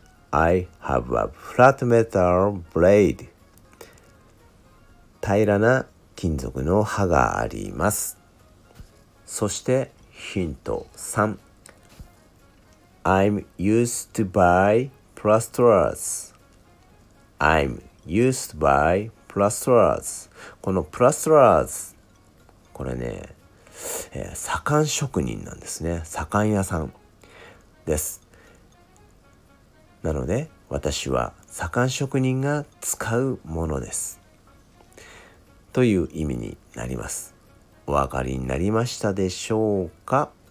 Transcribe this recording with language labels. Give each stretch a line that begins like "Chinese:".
English: I have a flat metal blade.
Japanese: 平らな金属の刃があります。そしてヒント3。
English: I'm used to buy plasterers. I'm used to buy plasterers.
Japanese: この plasterers、 これね、左官職人なんですね。左官屋さんです。なので、私は左官職人が使うものです。という意味になります。お分かりになりましたでしょうか?